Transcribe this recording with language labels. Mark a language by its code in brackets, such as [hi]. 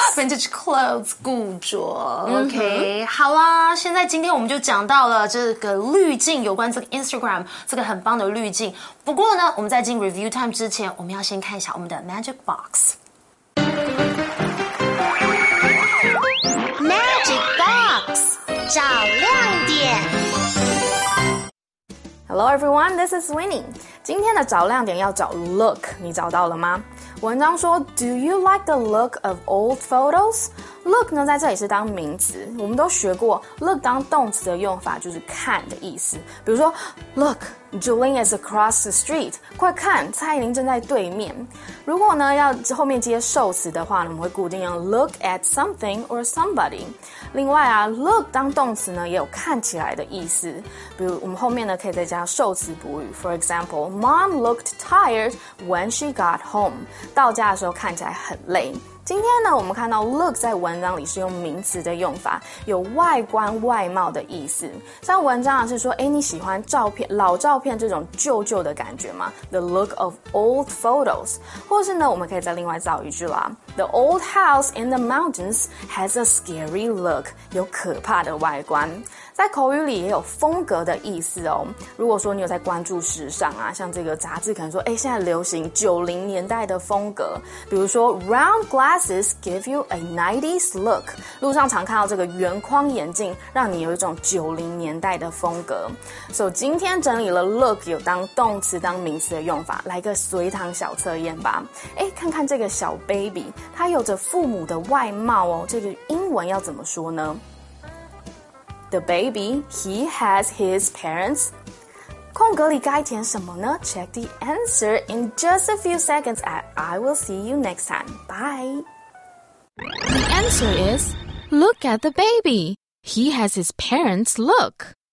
[en] ，vintage clothes， 古着。OK，、mm-hmm. [zh] 好啦，现在今天我们就讲到了这个滤镜有关这个 Instagram 这个很棒的滤镜。不过呢，我们在进 Review Time 之前，我们要先看一下我们的 Magic Box。 Magic Box 找亮点。 [en] Hello everyone, this is Winnie. [zh] 今天的找亮点要找 look， 你找到了吗？文章说 ， [en] Do you like the look of old photos？ [zh] Look 呢，在这里是当名词。我们都学过 ，look 当动词的用法就是看的意思。 [en] 比如说 ，Look, Julie is across the street. [zh] 快看，蔡依林正在对面。如果呢要后面接受词的话，我们会固定用 [en] look at something or somebody。 [zh] 另外啊 ，look 当动词呢也有看起来的意思。比如我们后面呢可以再加受词补语。 [en] For example, Mom looked tired when she got home. [zh] 到家的时候看起来很累。今天呢我们看到 look 在文章里是用名词的用法，有外观外貌的意思。像文章是说，诶，你喜欢照片，老照片这种旧旧的感觉吗？ [en] The look of old photos。 [zh] 或是呢我们可以再另外造一句啦， [en] The old house in the mountains has a scary look， [zh] 有可怕的外观。在口语里也有风格的意思哦。如果说你有在关注时尚啊，像这个杂志可能说，诶，现在流行90年代的风格。比如说 [en] round glasses give you a 90s look， [zh] 路上常看到这个圆框眼镜让你有一种90年代的风格。所以、so, 今天整理了 look 有当动词当名词的用法，来个随堂小测验吧。诶，看看这个小 baby， 他有着父母的外貌哦，这个英文要怎么说呢？ [en] The baby, he has his parents. [zh] 空格里该填什么呢？ [en] Check the answer in just a few seconds and I will see you next time. Bye! The answer is, look at the baby. He has his parents' look.